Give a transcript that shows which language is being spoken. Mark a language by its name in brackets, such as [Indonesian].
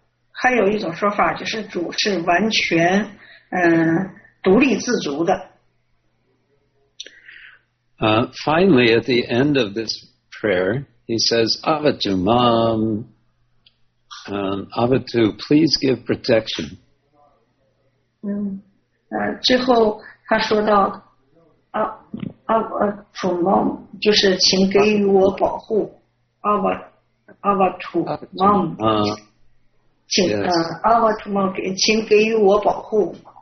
[Chinese] 还有一种说法就是主是完全独立自足的。 [English] Finally, at the end of this prayer, he says, Avatu, Mom, Avatu, please give protection. [Chinese] 最后他说到，Avatu, Mom, 就是请给予我保护。 Avatu, Mom, 请 Avatu, Mom, 请给予我保护。